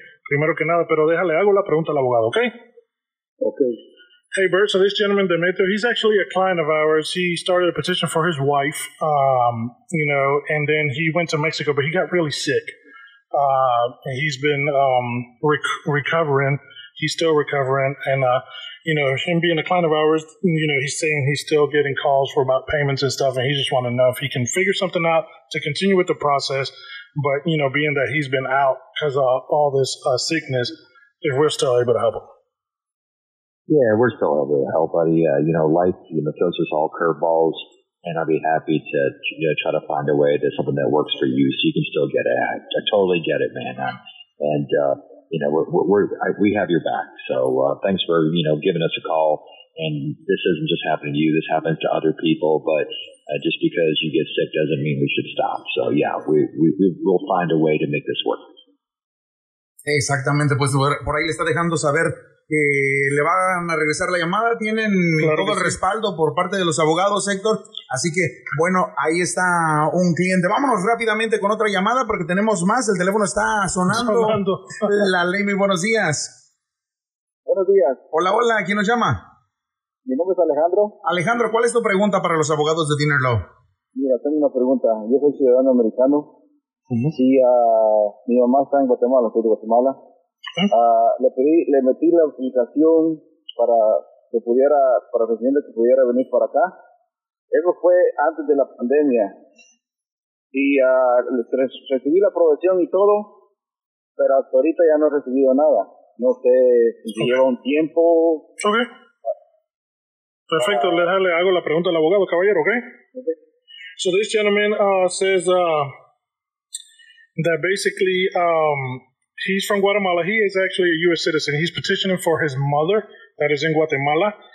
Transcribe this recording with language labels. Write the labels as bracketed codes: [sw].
[es] Primero que nada, pero déjale, hago la pregunta al abogado, ¿ok? [en] Ok. Hey, Bert, so this gentleman, Demetrio, he's actually a client of ours. He started a petition for his wife, and then he went to Mexico, but he got really sick. He's been recovering. he's still recovering. And, you know, him being a client of ours, you know, he's saying he's still getting calls for about payments and stuff. And he just wanted to know if he can figure something out to continue with the process. But, you know, being that he's been out because of all this sickness, if we're still able to help him. Yeah, we're still able to help, buddy. You know, life, you know, throws us all curveballs. And I'd be happy to, you know, try to find a way to something that works for you so you can still get it. I totally get it, man. And, you know, we have your back. So thanks for, you know, giving us a call. And this isn't just happening to you. This happens to other people. But just because you get sick doesn't mean we should stop. So, yeah, we'll find a way to make this work. [es] Exactamente. Pues por ahí le está dejando saber que le van a regresar la llamada. Tienen claro todo el respaldo por parte de los abogados, Héctor. Así que, bueno, ahí está un cliente. Vámonos rápidamente con otra llamada porque tenemos más. El teléfono está sonando. La ley, muy buenos días. Buenos días. Hola, hola. ¿Quién nos llama? Mi nombre es Alejandro. Alejandro, ¿cuál es tu pregunta para los abogados de Dinner Law? Mira, tengo una pregunta. Yo soy ciudadano americano. Uh-huh. Sí, mi mamá está en Guatemala, soy de Guatemala. Le metí la aplicación para recibirle que pudiera venir para acá. Eso fue antes de la pandemia. Y recibí la aprobación y todo, pero hasta ahorita ya no he recibido nada. No sé si lleva un tiempo. Ok. Perfecto, le hago la pregunta al abogado, caballero, ¿ok? [en] So this gentleman says that basically he's from Guatemala. He is actually a U.S. citizen. He's petitioning for his mother that is in Guatemala.